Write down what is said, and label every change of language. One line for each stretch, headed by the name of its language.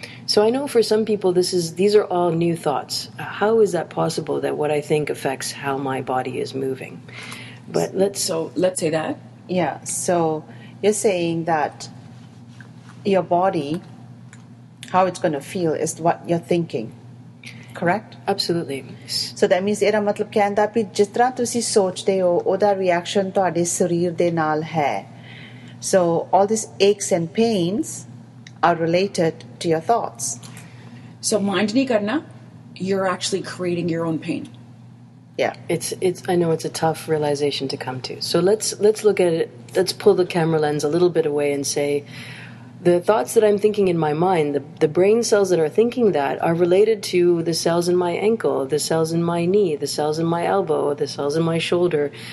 English: So I know for some people, these are all new thoughts. How is that possible that what I think affects how my body is moving? But let's say that. Yeah, so you're saying that your body, how it's going to feel is what you're thinking, correct? Absolutely. So that means
Punjabi: ਇਹਦਾ ਮਤਲਬ ਕਿ ਆਂਦਾ ਵੀ ਜਿਸ ਤਰ੍ਹਾਂ ਤੁਸੀਂ ਸੋਚਦੇ ਹੋ ਉਹਦਾ ਰਿਐਕਸ਼ਨ ਤੁਹਾਡੇ ਸਰੀਰ ਦੇ ਨਾਲ ਹੈ.
English: So all these aches and pains are related to your thoughts. So mind
Punjabi: ਨਹੀਂ ਕਰਨਾ,
English: you're actually creating your own pain. Yeah, it's. I know it's a tough realization to come to. So let's look at it. Let's pull the camera lens a little bit away and say, the thoughts that I'm thinking in my mind, the brain cells that are thinking that are related to the cells in my ankle, the cells in my knee, the cells in my elbow, the cells in my shoulder.